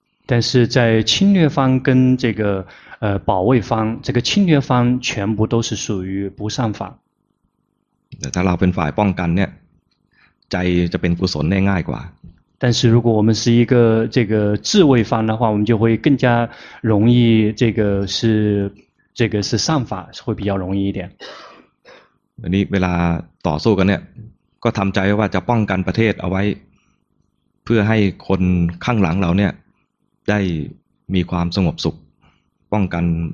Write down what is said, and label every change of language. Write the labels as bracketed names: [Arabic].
[Chinese] 但是在侵略方跟这个保卫方这个侵略方全部都是属于不善法 [Thai] แต่ถ้าเราเป็นฝ่ายป้องกันเนี่ยใจจะเป็นกุศลง่ายกว่า [Chinese] 但是如果我们是一个这个自卫方的话我们就会更加容易这个是善法会比较容易一点 [Thai] วันนี้เวลาต่อสู้กันเนี่ยก็ทำใจไว้ว่าจะป้องกันประเทศเอาไว้เพื่อให้คนข้างหลังเราเนี่ยได้มีความสงบสุขป้องกัน